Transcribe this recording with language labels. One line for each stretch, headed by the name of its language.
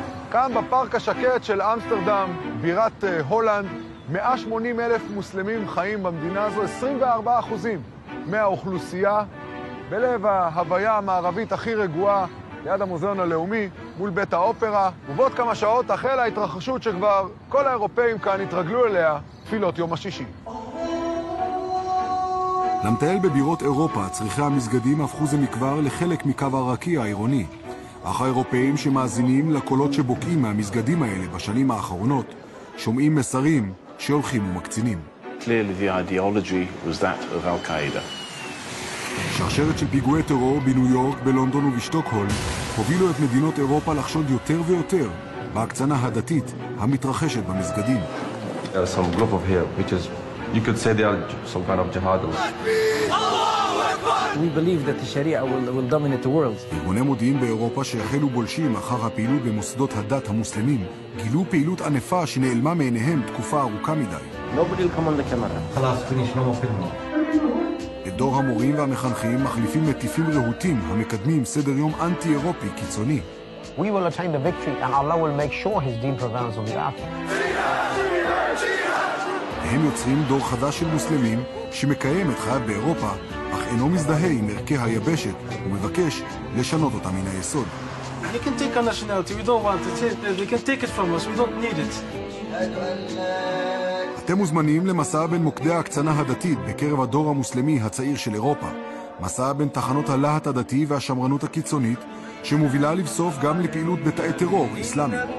Hebrew: כאן בפארק השקט של אמסטרדם, בירת הולנד, 180 אלף מוסלמים חיים במדינה הזו, 24% מהאוכלוסייה, בלב ההוויה המערבית הכי רגועה, ליד המוזיאון הלאומי, מול בית האופרה, ובעוד כמה שעות החלה ההתרחשות שכבר כל האירופאים כאן התרגלו אליה, תפילות יום השישי. למטייל בבירות אירופה, צריכי המסגדים הפכו זה מכבר לחלק מקו הרקיע העירוני. אך האירופאים שמאזינים לקולות שבוקעים מהמסגדים האלה בשנים האחרונות, שומעים מסרים שהולכים ומקצינים.
English: Clearly the ideology was that of Al-Qaeda.
Hebrew: שרשרת של פיגועי טרור בניו יורק, בלונדון ובשטוקהול הובילו את מדינות אירופה לחשוד יותר ויותר בהקצנה הדתית המתרחשת במסגדים.
English: There are some group of here which is you could say they are some kind of jihadists. We believe that the Sharia will dominate the world.
Hebrew: ארגוני מודיעין באירופה שהחלו בולשים אחר הפעילות במוסדות הדת המוסלמים גילו פעילות ענפה שנעלמה מעיניהם תקופה ארוכה מדי.
English: Nobody will come on the camera. חלאס, פיניש, נו מופילים.
Hebrew: דור המורים והמחנכים מחליפים מטיפים רהוטים המקדמים סדר יום אנטי-אירופי קיצוני.
English: We will attain the victory and Allah will make sure his deen prevails on the earth.
Hebrew: הם יוצרים דור חדש של מוסלמים שמקיים את חייו באירופה, אך אינו מזדהה עם ערכי היבשת ומבקש לשנות אותם מן היסוד.
English: You can take our nationality, we don't want it. They can take it from us, we don't need it.
Hebrew: אתם מוזמנים למסע בין מוקדי ההקצנה הדתית בקרב הדור המוסלמי הצעיר של אירופה. מסע בין תחנות הלהט הדתי והשמרנות הקיצונית, שמובילה לבסוף גם לפעילות בתאי טרור אסלאמי.